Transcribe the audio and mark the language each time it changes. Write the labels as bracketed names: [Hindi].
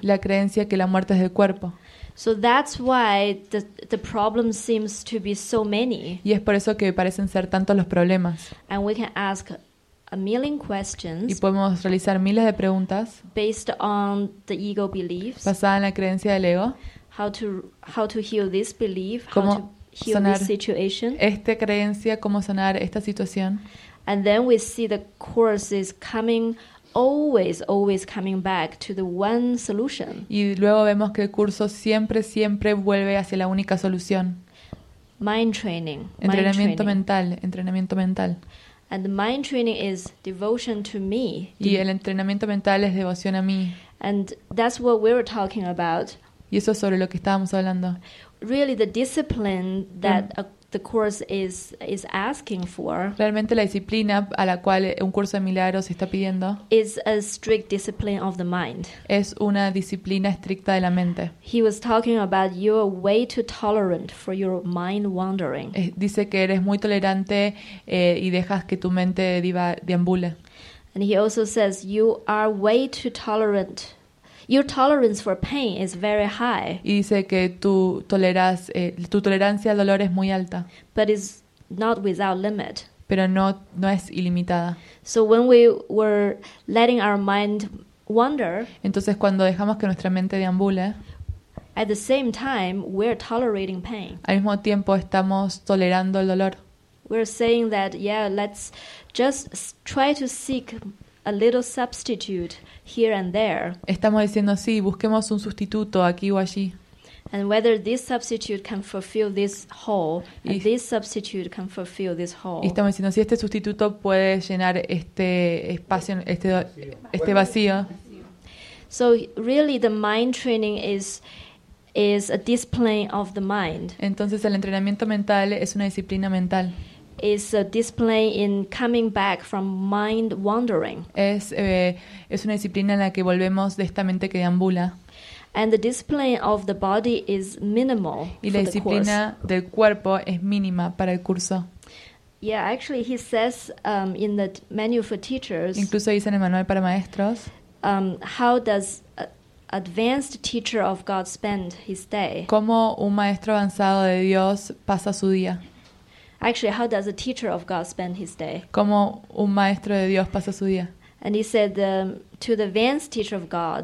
[Spanish] La creencia que la muerte es del cuerpo. [English] So that's why the problem seems to be so many. [Spanish] Y es por eso que parecen ser tantos los problemas. [English] And we can ask a million questions. [Spanish] Y podemos realizar miles de preguntas. [English] Based on the ego beliefs. [Spanish] Basada en la creencia del ego. [English] How to heal this belief? [Spanish] Cómo [English] how to heal this situation? [Spanish] Esta creencia, cómo sanar esta situación. [English] And then we see the course is coming. Always, always coming back to the one solution. [Spanish] Y luego vemos que el curso siempre, siempre vuelve hacia la única solución. [English] Mind training. [Spanish] Entrenamiento mental. Entrenamiento mental. [English] And the mind training is devotion to me. [Spanish] Y el entrenamiento mental es devoción a mí. [English] And that's what we were talking about. [Spanish] Y eso es sobre lo que estábamos hablando. [English] Really, the discipline that the course is asking for. [Spanish] Realmente la disciplina a la cual un curso de milagros está pidiendo [English] is a strict discipline of the mind. [Spanish] Es una disciplina estricta de la mente. [English] He was talking about you're way too tolerant for your mind wandering. [Spanish] Dice que eres muy tolerante y dejas que tu mente deambule. [English] And he also says you are way too tolerant. Your tolerance for pain is very high. [Spanish] Y dice que tu tolerancia al dolor es muy alta. [English] But it's not without limit. [Spanish] Pero no es ilimitada. [English] So when we were letting our mind wander, [Spanish] entonces cuando dejamos que nuestra mente deambule, [English] at the same time we're tolerating pain. [Spanish] Al mismo tiempo estamos tolerando el dolor. [English] We're saying that yeah, let's just try to seek a little substitute here and there. [Spanish] Estamos diciendo sí, busquemos un sustituto aquí o allí. [English] And whether this substitute can fulfill this hole, and this substitute can fulfill this hole. [Spanish] Y estamos diciendo si este sustituto puede llenar este espacio, este vacío. [English] So really, the mind training is a discipline of the mind. [Spanish] Entonces el entrenamiento mental es una disciplina mental. [English] Is a discipline in coming back from mind wandering. [Spanish] Es una disciplina en la que volvemos de esta mente que deambula. [English] And the discipline of the body is minimal. [Spanish] Y la disciplina del cuerpo es mínima para el curso. [English] Yeah, actually, he says in the manual for teachers. [Spanish] Incluso dice en el manual para maestros. [English] How does advanced teacher of God spend his day? [Spanish] ¿Cómo un maestro avanzado de Dios pasa su día? [English] Actually, how does a teacher of God spend his day? [Spanish] ¿Cómo un maestro de Dios pasa su día? [English] And he said to the advanced teacher of God.